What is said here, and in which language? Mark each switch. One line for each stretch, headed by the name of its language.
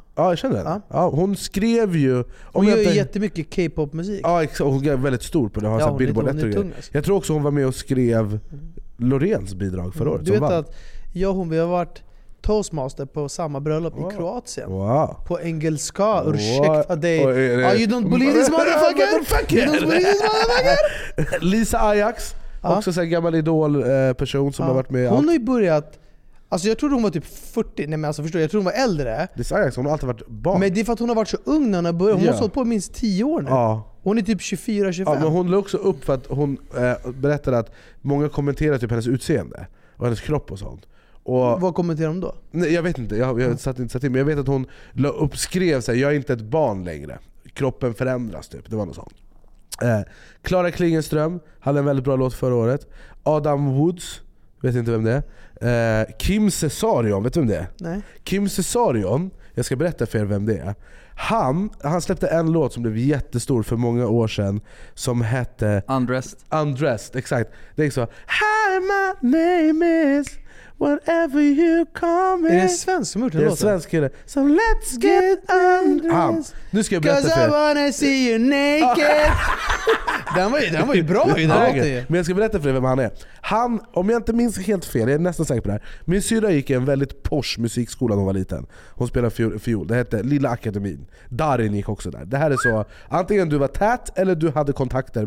Swedish: Ja, jag känner henne. Ja. Ja, hon skrev ju... Om hon gör ju jättemycket K-pop-musik. Ja, exakt. Hon är väldigt stor på det. Hon, ja, hon är tung. Alltså. Jag tror också hon var med och skrev Lorens bidrag för året. Du vet att jag och hon, vi har varit toastmaster på samma bröllop i Kroatien. Wow. På engelska. Ursäkta dig.
English: Oh, you don't believe this motherfucker? You don't believe this motherfucker?
Swedish: Lisa Ajax. Också en gammal idol person som har varit med. Hon har ju börjat... Alltså jag tror hon var typ 40. Nej, men alltså förstår jag, tror hon var äldre. Det säger jag, hon har alltid varit barn. Men det är för att hon har varit så ung när hon har börjat. Hon har hållit på minst 10 år nu. Ja. Hon är typ 24-25. Ja, men hon låg också upp för att hon berättade att många kommenterar typ hennes utseende och hennes kropp och sånt. Och vad kommenterar de då? Nej, jag vet inte. Jag satt inte till, men jag vet att hon la upp, skrev så här, jag är inte ett barn längre. Kroppen förändras typ. Det var något sånt. Klara Klingenström hade en väldigt bra låt förra året. Adam Woods, vet inte vem det är. Kim Cesarion, vet du vem det är? Nej. Kim Cesarion, jag ska berätta för er vem det är. Han släppte en låt som blev jättestor för många år sedan som hette Undressed, exakt. Det är så.
English: Hi, my name is whatever you call me.
Swedish: Är det svensk som har gjort den låten? Det är svensk kille.
English: So let's get undressed.
Swedish: Han. Nu ska jag berätta för er.
English: 'Cause I wanna see you naked.
Swedish: Den var ju bra i den låten. Men jag ska berätta för er vem han är. Han, om jag inte minns helt fel, jag är nästan säker på det här. Min syrra gick i en väldigt posh musikskola när hon var liten. Hon spelade fiol. Det hette Lilla Akademin. Darin gick också där. Det här är så, antingen du var tät eller du hade kontakter.